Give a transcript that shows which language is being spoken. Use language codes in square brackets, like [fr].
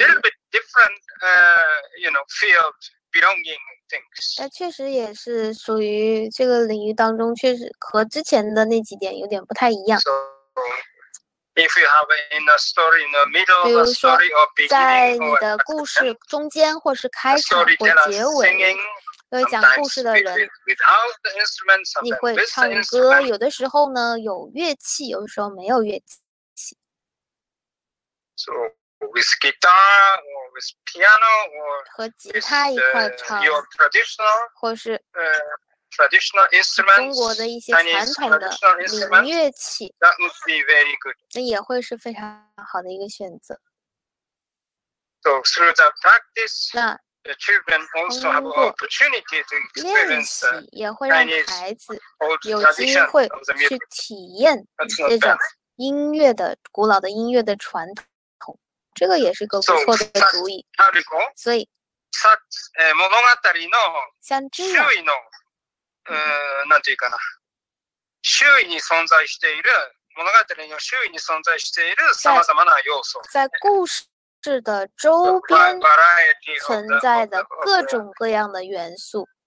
[en] A little bit different, you know, field belonging. [zh] 那确实也是属于这个领域当中，确实和之前的那几点有点不太一样。 [en] So, if you have in a story in the middle of a story or beginning or [zh] 在你的故事中间或是开场或结尾，会讲故事的人，你会唱歌。有的时候呢有乐器，有的时候没有乐器。 [en] So,With guitar or with piano or [zh] 和吉他一块唱 [en] your traditional, [zh] 或是 [en] traditional instruments, [zh] 中国的一些传统的民乐器 [en] that would be very good. [zh] 那也会是非常好的一个选择。 [en] So through the practice, the children also have opportunity to experience the Chinese old tradition of the music. [zh] 去体验这种音乐的古老的音乐的传统。这个也是个不错的主意。所以， [ja] 物語の周囲の、なんていうかな、周囲に存在している物語の周囲に存在しているさまざまな要素。 [zh] 在故事的周边存在的各种各样的元素。